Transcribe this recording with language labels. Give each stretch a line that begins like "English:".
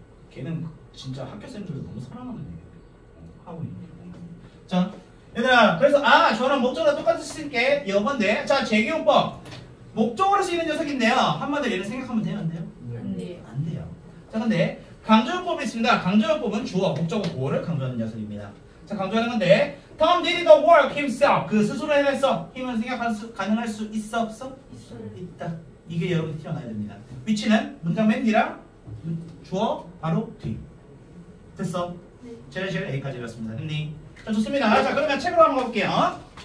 Korean: 걔는 진짜 학교 선생님들도 너무 사랑하는 애야. 하고 있는 거야. 자, 얘들아, 그래서 아, 저랑 목적어 똑같이 쓰니까 여건데. 자, 재기용법. 목적어로 쓰이는 녀석인데요. 한마디로 얘를 생각하면 돼요, 안 돼요? 네. 안 돼요. 자, 근데 강조용법이 있습니다. 강조용법은 주어, 목적어, 보어를 강조하는 녀석입니다. 자, 강조하는 건데,
English: Tom did the work himself.
Korean: 그 스스로 해냈어. 힘은 생각할 수 가능할 수 있어 없어? 있어. 있다. 이게 여러분이 튀어나와야 됩니다. 위치는 문장 맨 뒤랑 주어 바로 뒤. 됐어? 네. 제가 지금 A까지 읽었습니다. 흔히. 자, 좋습니다. 자, 그러면 책으로 한번 볼게요. 어?